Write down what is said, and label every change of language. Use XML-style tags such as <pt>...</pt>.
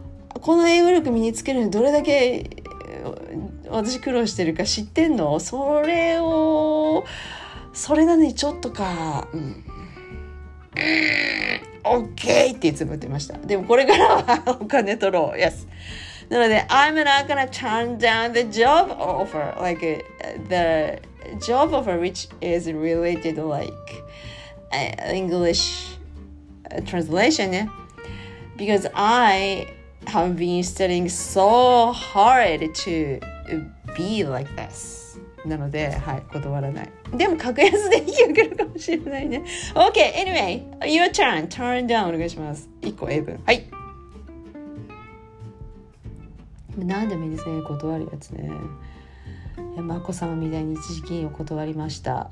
<ja>この英語力身につけるのにどれだけ私苦労してるか知ってんの、それをそれなのにちょっとか、うん、OK っていつも言ってました。でもこれからはお金取ろう、 Yes。なので</ja> <en>I'm not gonna turn down the job offer, like the job offer which is related like English translation, because I have been studying so hard to be like this</en> <ja>なので、はい、断らない。でも格安で言ってくるかもしれないね。</ja> <en>OK、Anyway、Your turn、Turn down</en> <ja>お願いします。1個英文。はい。何でもいいですね、断るやつね。まこ様みたいに一時金を断りました。</ja>